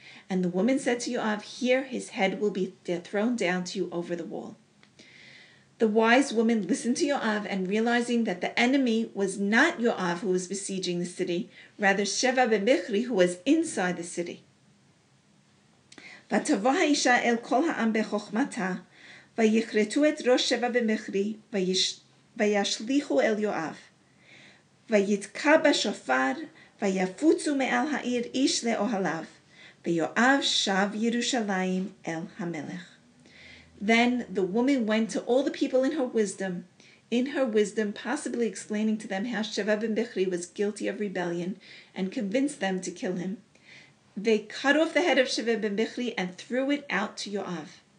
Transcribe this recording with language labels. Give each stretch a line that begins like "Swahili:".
English: And the woman said to Yoav, here his head will be thrown down to you over the wall. The wise woman listened to Yoav, and realizing that the enemy was not Yoav who was besieging the city, rather Sheva ben Bichri who was inside the city.
Hebrew: ותבוא האישה אל כל העם בחוכמתה, ויכרתו את ראש שבע במחרי, וישליחו אל יואב. ויתקע בשופר, ויפוצו מעל העיר איש לאוהליו, ויואב שב ירושלים אל המלך.
English: Then the woman went to all the people in her wisdom, possibly explaining to them how Sheva ben Bichri was guilty of rebellion, and convinced them to kill him. They cut off the head of Sheva ben Bichri and threw it out to Yoav.